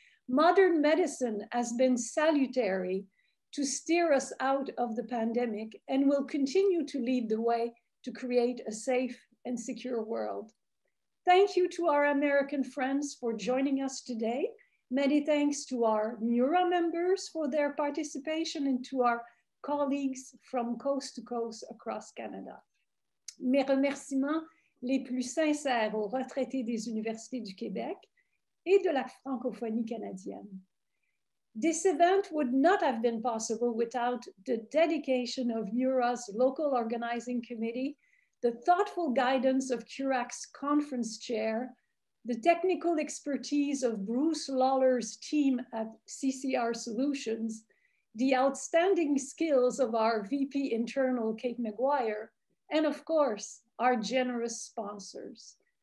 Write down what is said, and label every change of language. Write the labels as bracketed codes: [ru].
[en] Modern medicine has been salutary to steer us out of the pandemic and will continue to lead the way to create a safe and secure world. Thank you to our American friends for joining us today. Many thanks to our MURA members for their participation and to our colleagues from coast to coast across Canada. [fr] Mes remerciements les plus sincères aux retraités des universités du Québec et de la francophonie canadienne. [en] This event would not have been possible without the dedication of MURA's local organizing committee, the thoughtful guidance of CURAC's conference chair, the technical expertise of Bruce Lawler's team at CCR Solutions, the outstanding skills of our VP internal, Kate McGuire, and of course, our generous sponsors.